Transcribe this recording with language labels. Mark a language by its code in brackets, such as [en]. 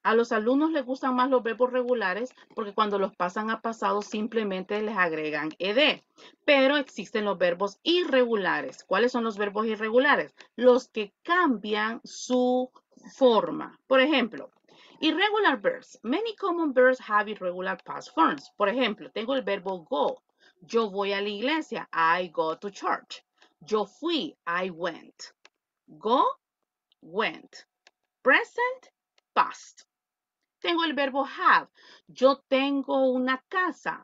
[es] A los alumnos les gustan más los verbos regulares porque cuando los pasan a pasado simplemente les agregan ed. Pero existen los verbos irregulares. ¿Cuáles son los verbos irregulares? Los que cambian su forma. Por ejemplo, irregular verbs. [en] Many common verbs have irregular past forms. [es] Por ejemplo, tengo el verbo go. Yo voy a la iglesia. [en] I go to church. [es] Yo fui. [en] I went. Go, went. Present, past. [es] Tengo el verbo have. Yo tengo una casa.